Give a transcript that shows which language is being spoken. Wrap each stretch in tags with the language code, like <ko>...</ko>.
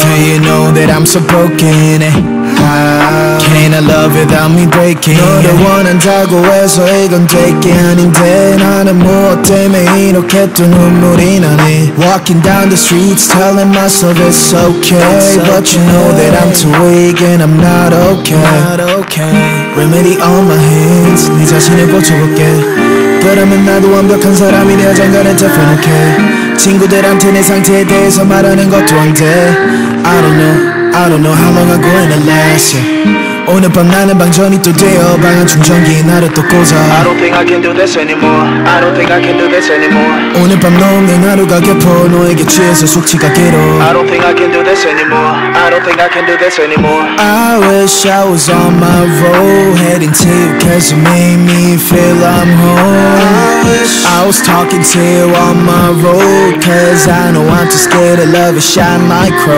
<en>Do you know that I'm so broken, eh? How? Can't I love without me breaking?</en> <ko>너를 원한다고 해서 이건 되게 아닌데 나는 무엇 때문에 이렇게 또 눈물이 나네.</ko> <en>Walking down the streets telling myself it's okay, it's okay. But you know that I'm too weak and I'm not okay, not okay. Remedy on my hands,</en> <ko>네 자신을 고쳐볼게. 그러면 나도 완벽한 사람이 되어 장가를 잡혀 놓게. 친구들한테 내 상태에 대해서 말하는 것도 안 돼.</ko> <en>I don't know how long I'm going to last, yeah.</en> <ko>오늘 밤 나는 방전이 또 되어 방한 충전기 나를 또 꽂아.</ko> <en>I don't think I can do this anymore, I don't think I can do this anymore.</en> <ko>오늘 밤 너는 내 하루가 깊어 너에게 취해서 숙취가 길어.</ko> <en>I don't think I can do this anymore, I don't think I can do this anymore. I wish I was on my road, heading to you cause you made me feel I'm home. I wish I was talking to you on my road, cause I know I'm too scared of love and shine like chrome.</en>